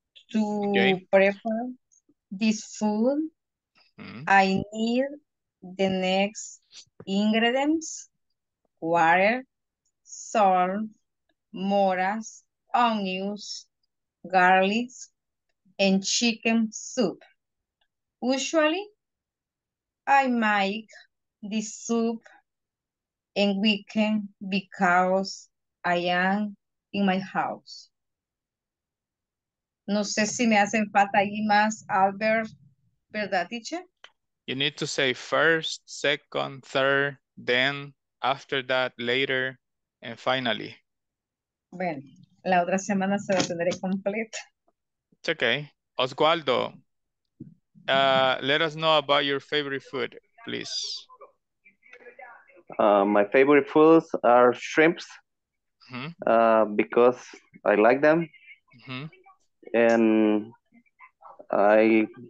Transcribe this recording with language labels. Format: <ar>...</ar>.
<en>Prepare this food, I need the next ingredients: water, salt, moras, onions, garlic, and chicken soup. Usually, I make the soup in weekend because I am in my house.</en> <es>No sé si me hacen falta ahí más, Albert, ¿verdad, teacher?</es> <en>You need to say first, second, third, then, after that, later, and finally.</en> <es>Bueno, la otra semana se la tendré completa.</es> <en>It's okay. Oswaldo, let us know about your favorite food, please. My favorite foods are shrimps. because I like them. Mm-hmm. And I</en>